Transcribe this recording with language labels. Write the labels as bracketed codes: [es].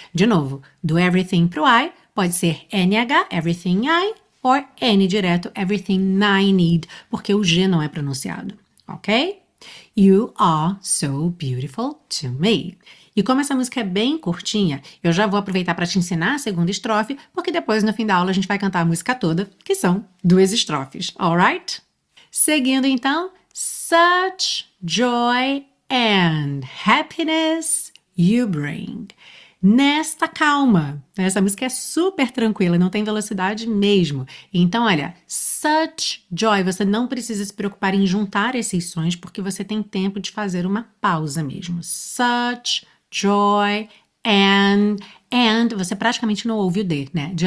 [pt] De novo, do everything pro I, pode ser NH, everything I, or N direto, [en] everything I need, [pt] porque o G não é pronunciado, ok? [en] You are so beautiful to me. [pt] E como essa música é bem curtinha, eu já vou aproveitar para te ensinar a segunda estrofe, porque depois no fim da aula a gente vai cantar a música toda, que são duas estrofes, alright? Seguindo então, [en] such joy and happiness you bring. [pt] Nesta calma, essa música é super tranquila, não tem velocidade mesmo. Então, olha, such joy, você não precisa se preocupar em juntar esses sons, porque você tem tempo de fazer uma pausa mesmo. Such joy and você praticamente não ouve o D, né?